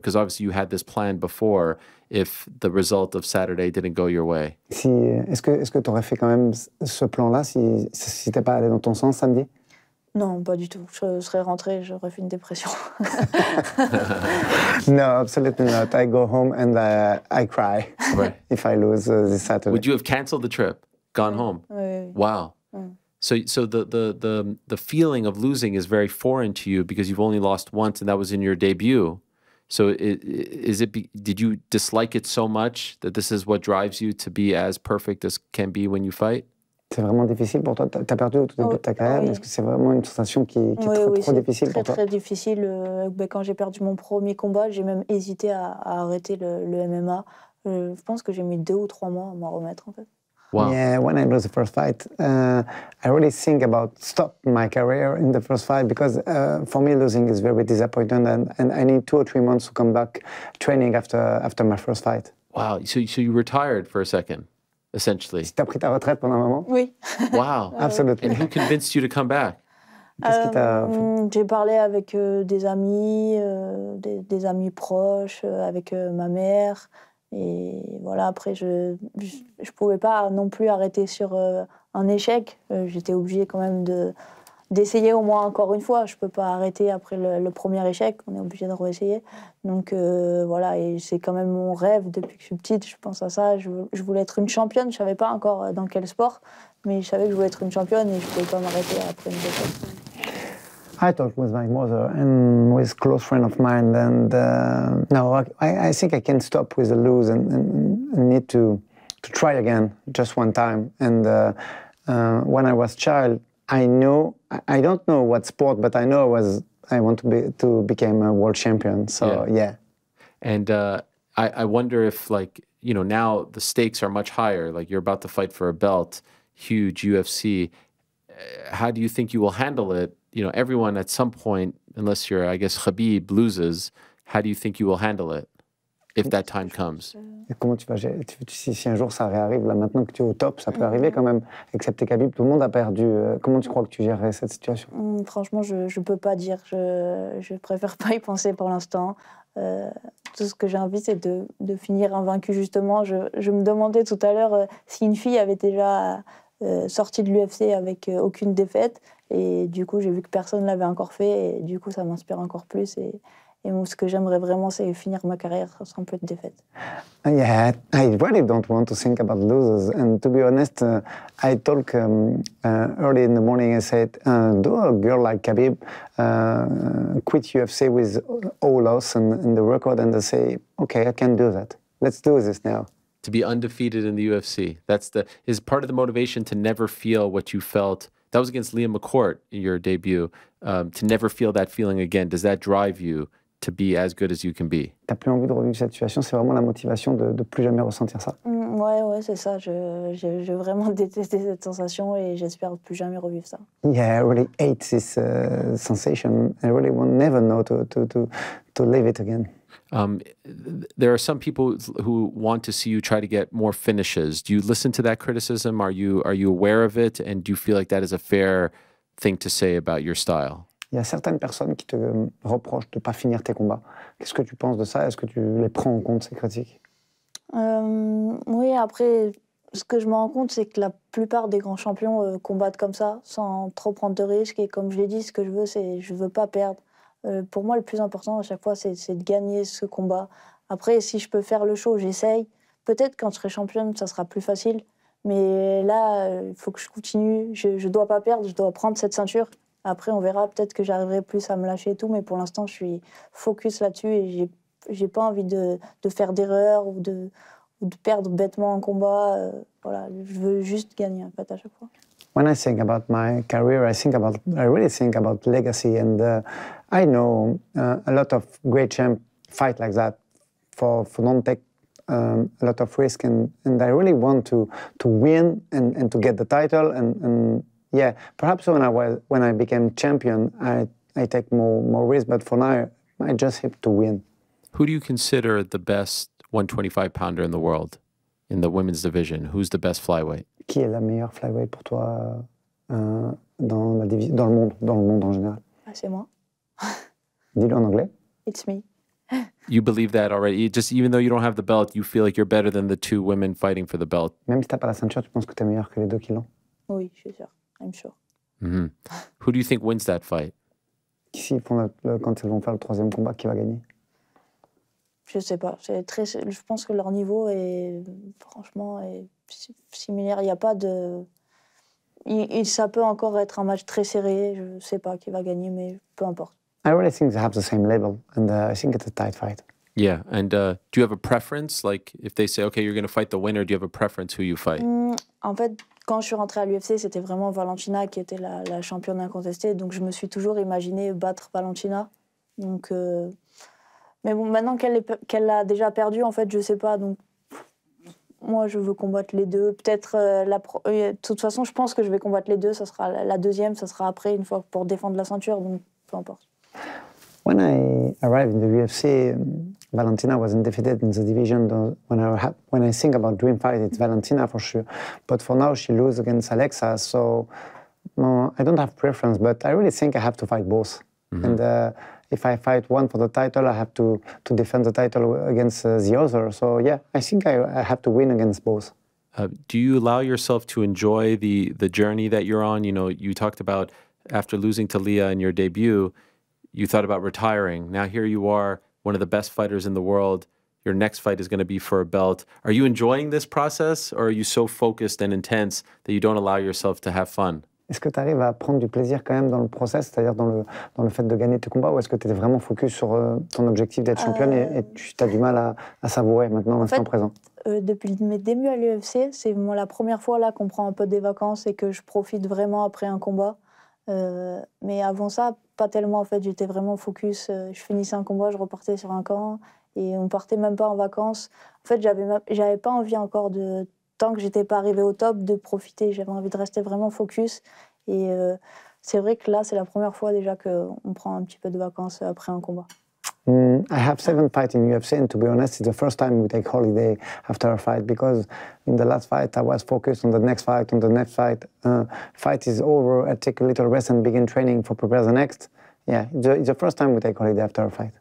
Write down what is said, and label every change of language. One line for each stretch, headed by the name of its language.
English: Because obviously you had this plan before. If the result of Saturday didn't go your way,
French: si, est-ce que tu aurais fait quand même ce plan là si t'es pas allé dans ton sens samedi? Non, pas du tout. Je serais rentré, j'aurais fait une dépression.
English: No, absolutely not. I go home and I cry if I lose this Saturday. Would you have canceled the trip, gone home?
French: Oui.
English: Wow. So the feeling of losing is very foreign to you because you've only lost once and that was in your debut. So did you dislike it so much that this is what drives you to be as perfect as can be when you fight?
French: C'est vraiment difficile pour toi. T'as perdu au tout début de ta carrière. Oui. Est-ce que c'est vraiment une sensation qui est trop difficile pour toi? Très difficile. Quand j'ai perdu mon premier combat, j'ai même hésité à arrêter le MMA. Je pense que j'ai mis 2 ou 3 mois à m'en remettre, en fait.
English: Wow. Yeah, when I lose the first fight, I really think about stop my career in the first fight because for me losing is very disappointing, and I need 2 or 3 months to come back training after my first fight. Wow. So you retired for a second. Essentially.
French: Tu as pris ta retraite pendant un moment? Oui.
English: Wow. Absolutely. And who convinced you to come back?
French: J'ai parlé avec des amis, des amis proches, avec ma mère. Et voilà, après, je pouvais pas non plus arrêter sur un échec. J'étais obligée quand même d'essayer au moins encore une fois. Je peux pas arrêter après le premier échec. On est obligé de réessayer. Donc voilà, et c'est quand même mon rêve depuis que je suis petite. Je pense à ça. Je voulais être une championne. Je savais pas encore dans quel sport, mais je savais que je voulais être une championne et je pouvais pas m'arrêter après une défaite.
English: I talked with my mother and with close friend of mine, and I think I can stop with the lose and need to try again just one time. And when I was child. I don't know what sport, but I know I want to become a world champion. So yeah. And I wonder if, like, you know, now the stakes are much higher. Like, you're about to fight for a belt, huge UFC. How do you think you will handle it? You know, everyone at some point, unless you're, I guess, Khabib loses. How do you think you will handle it if that time comes?
French: Comment tu vas gérer si un jour ça réarrive là maintenant que tu es au top, ça peut arriver quand même. Excepté Khabib, tout le monde a perdu. Comment tu crois que tu gérerais cette situation? Franchement, je peux pas dire. Je préfère pas y penser pour l'instant. Tout ce que j'ai envie, c'est de finir invaincu justement. Je me demandais tout à l'heure si une fille avait déjà sorti de l'UFC avec aucune défaite. Et du coup, j'ai vu que personne l'avait encore fait. Et du coup, ça m'inspire encore plus. Et moi, ce que j'aimerais vraiment, c'est finir ma carrière sans plus de défaites.
English: Yeah, I really don't want to think about losers. And to be honest, I talk early in the morning. I said, do a girl like Khabib quit UFC with all loss and the record, and they say, okay, I can do that. Let's do this now. To be undefeated in the UFC. Is part of the motivation to never feel what you felt. That was against Liam McCourt in your debut. To never feel that feeling again. Does that drive you to be as good as you can be?
French: T'as plus envie de revivre cette situation, c'est vraiment la motivation de plus jamais ressentir ça. Ouais, c'est ça. Je vraiment détesté cette sensation et j'espère plus jamais revivre ça.
English: Yeah, I really hate this sensation. I really will never know to live it again. There are some people who want to see you try to get more finishes. Do you listen to that criticism? Are you aware of it? And do you feel like that is a fair thing to say about your style?
French: Il y a certaines personnes qui te reprochent de ne pas finir tes combats. Qu'est-ce que tu penses de ça? Est-ce que tu les prends en compte, ces critiques? Oui, après, ce que je me rends compte, c'est que la plupart des grands champions combattent comme ça, sans trop prendre de risques. Et comme je l'ai dit, ce que je veux, c'est je ne veux pas perdre. Pour moi, le plus important à chaque fois, c'est de gagner ce combat. Après, si je peux faire le show, j'essaye. Peut-être quand je serai championne, ça sera plus facile. Mais là, il faut que je continue. Je ne dois pas perdre, je dois prendre cette ceinture. Après, on verra, peut-être que j'arriverai plus à me lâcher et tout. Mais pour l'instant, je suis focus là-dessus et je n'ai pas envie de faire d'erreur ou de perdre bêtement un combat. Voilà, je veux juste gagner en fait, à chaque fois.
English: When I think about my career, I really think about legacy, and I know a lot of great champ fight like that for non take a lot of risk, and I really want to win and to get the title, and yeah, perhaps when I became champion, I take more risk, but for now I just hope to win. Who do you consider the best 125 pounder in the world in the women's division? Who's the best flyweight?
French: Qui est la meilleure flyweight pour toi dans le monde en général? C'est moi. Dis-le en anglais.
English: It's me. You believe that already? Just even though you don't have the belt, you feel like you're better than the two women fighting for the belt.
French: Même si t'as pas la ceinture, tu penses que t'es meilleur que les deux qui l'ont? Oui, je suis sûr.
English: I'm sure. Mm-hmm. Who do you think wins that fight?
French: Quand ils vont faire le troisième combat, qui va gagner? Je sais pas. Je pense que leur niveau est franchement est similaire. Il y a pas de. Ça peut encore être un match très serré. Je sais pas qui va gagner, mais peu importe.
English: I really think they have the same level, and I think it's a tight fight. Yeah, and do you have a preference? Like, if they say, okay, you're going to fight the winner, do you have a preference who you fight?
French: En fait, quand je suis rentrée à l'UFC, c'était vraiment Valentina qui était la championne incontestée. Donc, je me suis toujours imaginé battre Valentina. Donc, mais bon, maintenant qu'elle a déjà perdu, en fait, je sais pas. Donc, moi, je veux combattre les deux. Peut-être, de toute façon, je pense que je vais combattre les deux. Ça sera la deuxième, ça sera après, une fois pour défendre la ceinture. Donc, peu importe.
English: When I arrived in the UFC, Valentina was undefeated in the division. When I think about dream fight, it's Valentina for sure. But for now, she loses against Alexa, so I don't have preference, but I really think I have to fight both. Mm-hmm. And if I fight one for the title, I have to defend the title against the other. So yeah, I think I have to win against both. Do you allow yourself to enjoy the journey that you're on? You know, you talked about after losing to Leah in your debut, you thought about retiring. Now here you are, one of the best fighters in the world. Your next fight is going to be for a belt. Are you enjoying this process, or are you so focused and intense that you don't allow yourself to have fun?
French: Est-ce que tu arrives à prendre du plaisir quand même dans le process, c'est-à-dire dans le fait de gagner tes combats, ou est-ce que tu es vraiment focus sur ton objectif d'être championne et tu as du mal à savourer maintenant l'instant présent? Depuis mes débuts à l'UFC, c'est moi la première fois là qu'on prend un peu des vacances et que je profite vraiment après un combat. Mais avant ça, pas tellement en fait, j'étais vraiment focus. Je finissais un combat, je repartais sur un camp et on partait même pas en vacances. En fait, j'avais pas envie encore de, tant que j'étais pas arrivée au top, de profiter. J'avais envie de rester vraiment focus. Et c'est vrai que là, c'est la première fois déjà qu'on prend un petit peu de vacances après un combat.
English: I have 7 fights in UFC, and to be honest, it's the first time we take holiday after a fight, because in the last fight I was focused on the next fight. Fight is over, I take a little rest and begin training for prepare the next. Yeah, it's the first time we take holiday after a fight.